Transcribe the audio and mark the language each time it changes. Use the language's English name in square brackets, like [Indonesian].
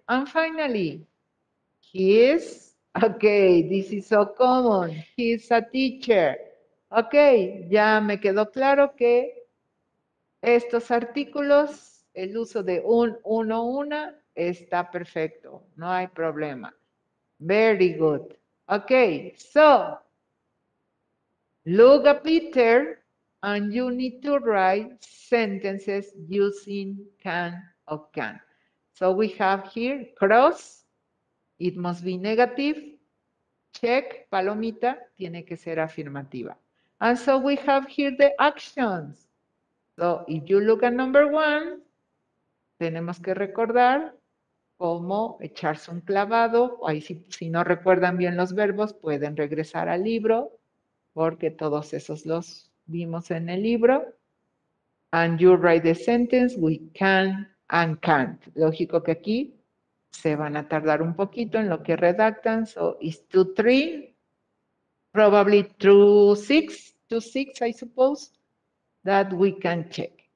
[English] And finally, he is? Okay, this is so common. He's a teacher. [Spanish] Okay, ya me quedó claro que estos artículos, el uso de un, uno, una, está perfecto. No hay problema. [English] Very good. Okay, so, look at Peter and you need to write sentences using can or can. So we have here, cross, it must be negative. Check, [Spanish] palomita, tiene que ser afirmativa. [English] And so we have here the actions. So if you look at number one, [Spanish] tenemos que recordar cómo echarse un clavado. Ahí si no recuerdan bien los verbos, pueden regresar al libro, porque todos esos los vimos en el libro. [English] And you write the sentence, we can and can't. [Spanish] Lógico que aquí se van a tardar un poquito en lo que redactan. [English] So, it's 2-3, probably 2-6, 2-6, I suppose, that we can check.